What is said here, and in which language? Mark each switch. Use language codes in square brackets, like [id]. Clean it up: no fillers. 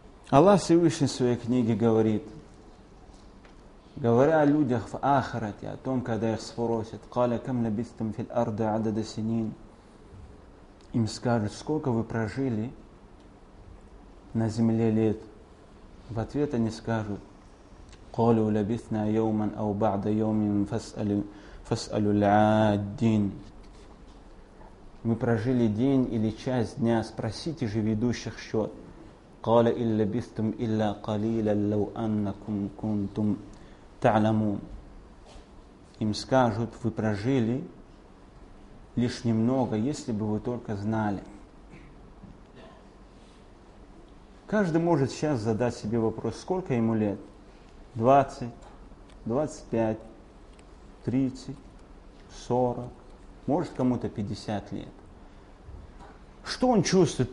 [ru] Аллах Всевышний в своей книге говорит, говоря о людях в ахирате, о том, когда их спросят, [ar] «Каля кам лабистум фил арда адада синин», [ru] им скажут, сколько вы прожили на земле лет. В ответ они скажут, [ar] «Калю лабистна йоуман ау ба'да йоумин фас'алю л'аддин». [ru] Мы прожили день или часть дня, спросите же ведущих счет. [ar] قال إن لبثتم إلا قليلا لو أنكم كنتم تعلمون. [ru] Им скажут, вы прожили лишь немного, если бы вы только знали. Каждый может сейчас задать себе вопрос, сколько ему лет? 20, 25, 30, 40, может кому-то 50 лет. Что он чувствует?